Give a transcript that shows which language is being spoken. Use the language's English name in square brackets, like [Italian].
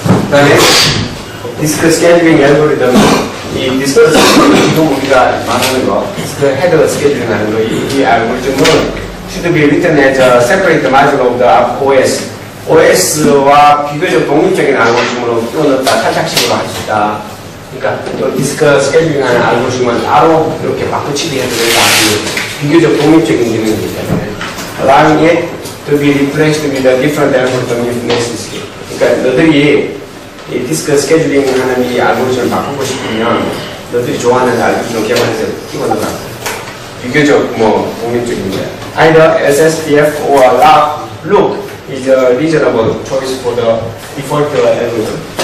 [Korean] 다음에 디스크 스케줄링 앨고리즘, 이 디스크 스케줄링, 지금 우리가 말하는 거, 디스크 헤드 스케줄링 하는 거, 이 알고리즘은 [English] should be written as a separate module of the OS. [Korean] OS와 비교적 독립적인 알고리즘으로 끼워넣다 탈착식으로 할 수 있다. 그러니까 또 디스크 스케줄링 하는 알고리즘은 따로 이렇게 바꾸치기 해도 된다. 비교적 독립적인 기능이기 때문에. [English] allowing it to be replaced with a different algorithm if necessary. [Korean] 그러니까 너들이 이 디스크 스케줄링 하는 이 알고리즘을 바꾸고 싶으면 너들이 좋아하는 알고리즘을 개발해서 끼워넣어라. 비교적 뭐 독립적인데 [English] Either SSPF or LOC LOOK is a reasonable choice for the default algorithm.